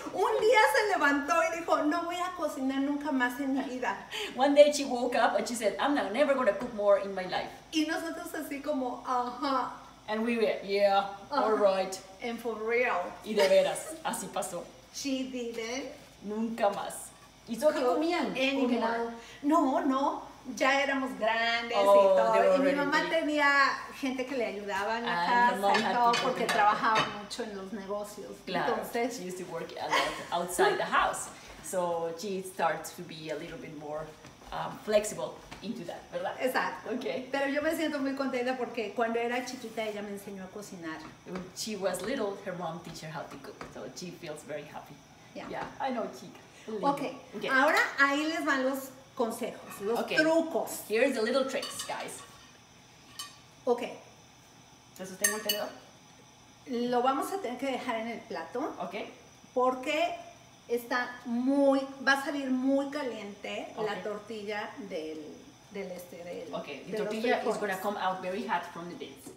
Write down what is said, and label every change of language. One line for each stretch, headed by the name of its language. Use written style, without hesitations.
Spanish: Un día se levantó y dijo, no voy a cocinar nunca más en mi vida.
English: One day she woke up and she said, I'm not never going to cook more in my life.
Spanish: Y nosotros así como, ajá.
English: And we were, yeah, all right. And for real.
Spanish: Y de veras, así pasó.
English: She didn't.
Spanish: Nunca más. ¿Y tú qué comían? No. Ya éramos grandes y todo. Y mi mamá tenía gente que le ayudaba en la casa y todo porque trabajaba mucho en los negocios. Claro. Entonces,
English: she used to work a lot outside the house. So she starts to be a little bit more flexible into that, ¿verdad?
Spanish: Exacto.
English: Okay.
Spanish: Pero yo me siento muy contenta porque cuando era chiquita ella me enseñó a cocinar.
English: When she was little, her mom teach her how to cook, so she feels very happy. Yeah. I know, chica. Okay. Okay.
Spanish: Ahora ahí les van los consejos, los trucos.
English: Here's the little tricks, guys. Okay.
Spanish: ¿Te sostengo el tenedor? Lo vamos a tener que dejar en el plato.
English: Okay.
Spanish: Porque está muy, va a salir muy caliente la tortilla del.
English: Okay. The tortilla is going to come out very hot from the beans.